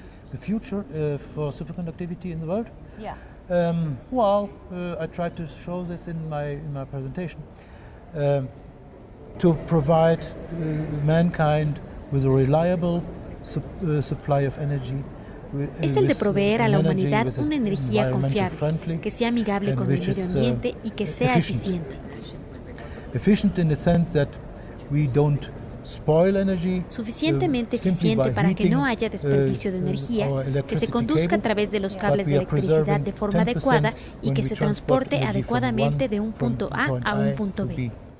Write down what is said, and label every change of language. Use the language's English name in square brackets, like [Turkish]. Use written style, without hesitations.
[English] The future for superconductivity in the world? Yeah. I tried to show this in my presentation. To provide mankind with a reliable supply of energy. [Spanish] Es el de proveer a la humanidad una energía confiable, que sea amigable con el medio ambiente y que sea eficiente. [English] Efficient in the sense that we don't spoil energy. [Spanish] Suficientemente eficiente para que no haya desperdicio de energía, que se conduzca a través de los cables de electricidad de forma adecuada y que se transporte adecuadamente de un punto A a un punto B.